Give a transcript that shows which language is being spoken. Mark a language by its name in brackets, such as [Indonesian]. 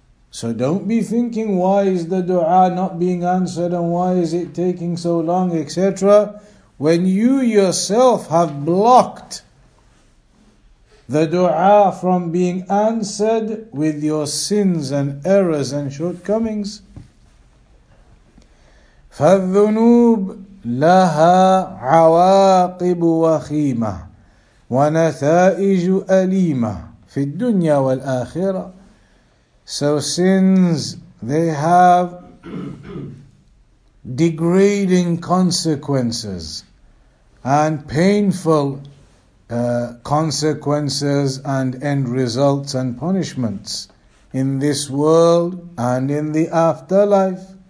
[English] So don't be thinking, why is the dua not being answered and why is it taking so long, etc. When you yourself have blocked the dua from being answered with your sins and errors and shortcomings. [Arabic] فالذنوب لها عواقب وخيمة ونتائج أليمة في الدنيا والآخرة. [English] So sins, they have degrading consequences and painful consequences and end results and punishments in this world and in the afterlife.